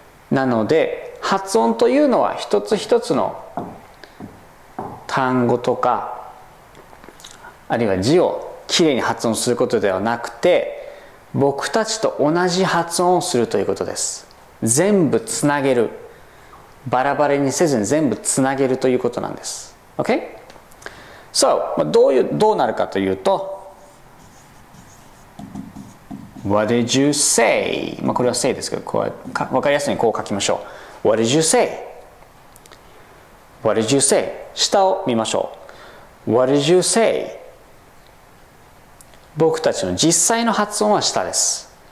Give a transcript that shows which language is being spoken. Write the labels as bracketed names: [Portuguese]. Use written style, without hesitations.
[Japanese] なので発音というのは一つ一つの単語とか、あるいは字をきれいに発音することではなくて、僕たちと同じ発音をするということです。全部つなげる、バラバラにせずに全部つなげるということなんです。 [English] OK? [Japanese] So, どうなるかというと、 What did you say? まあこれは say ですけど、こう分かりやすいにこう書きましょう。 [English] What did you say? What did you say? 下を見ましょう。 [Japanese] What did you say? 僕たちの実際の発音は下です。